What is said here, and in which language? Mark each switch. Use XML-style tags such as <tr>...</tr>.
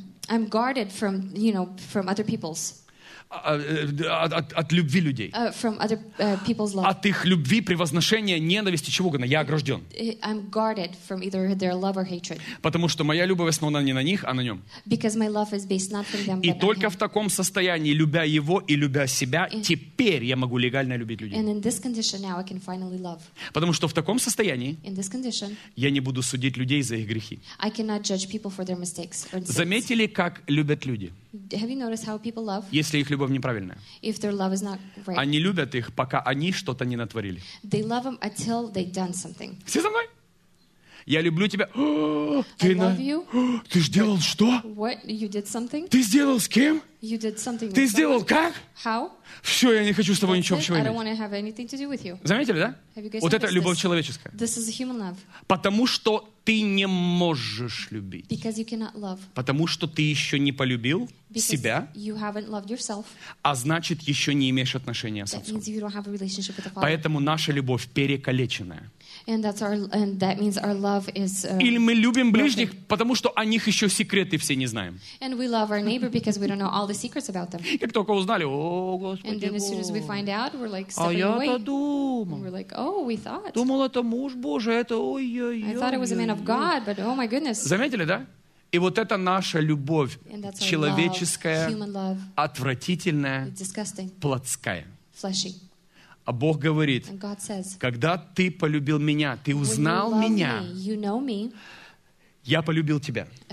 <en>I'm guarded from, you know, from other people's.</en> <ru>От любви людей.</ru> <en>From other people's love.</en> <ru>От их любви, превозношения, ненависти, чего угодно. Я огражден.</ru> <en>I'm guarded from either their love or hatred.</en> <ru>Потому что моя любовь основана не на них, а на нем.</ru> <en>Because my love is based not from them, but</en> <ru>И только в таком состоянии, любя его и любя себя, теперь я могу легально любить людей.</ru> <en>And in this condition now I can finally love.</en> <ru>Потому что в таком состоянии</ru> <en>in this condition,</en> <ru>я не буду судить людей за их грехи.</ru> <en>I cannot judge people for their mistakes or sins.</en> <ru>Заметили, как любят люди?</ru> <en>Have you noticed how people love?</en> <ru>Если их любовь неправильная.</ru> <en>If their love is not right.</en> <ru>Они любят их, пока они что-то не натворили.</ru> <en>They love them until they've done something.</en> <ru>Все со мной? Я люблю тебя. Ты, ты же делал что?</ru> <en>What? You did something?</en> <ru>Ты сделал с кем?</ru> <en>You did something.</en> <ru>Ты сделал как?</ru> <en>How?</en> <ru>Все, я не хочу с тобой ничего общего иметь.</ru> <en>I don't want to have anything to do with you.</en> <ru>Заметили, да?</ru> <en>Have you guys</en> <ru>вот это любовь</ru> <en>this?</en> <ru>Человеческая.</ru> <en>This is a human love.</en> <ru>Потому что ты не можешь любить.</ru> <en>Because you cannot love.</en> <ru>Потому что ты еще не полюбил</ru> <en>Because</en> <ru>себя.</ru> <en>You haven't loved yourself.</en> <ru>А значит, еще не имеешь отношения с Отцом.</ru> <en>That means you don't have a relationship with the Father.</en> <ru>Поэтому наша любовь перекалеченная.</ru> <en>And that's our, and that means our love is.</en> <ru>Или мы любим ближних, потому что о них еще секреты все не знаем.</ru> <en>And we love our neighbor because we don't know all the secrets about them.</en> <ru>Как только узнали, о Господи.</ru> <en>And then as soon as we find out, we're like stepping away.</en> <ru>А я-то думал.</ru> <en>And we're like, oh, we thought.</en> <ru>Думал, это муж Божий, это ой-ой-ой.</ru> <en>I thought it was a man of God, but oh my goodness.</en> <ru>Заметили, да? И вот это наша любовь человеческая, отвратительная, плотская.</ru> <en>Fleshy.</en> <ru>А Бог говорит, когда ты полюбил меня, ты узнал меня, я полюбил тебя.</ru>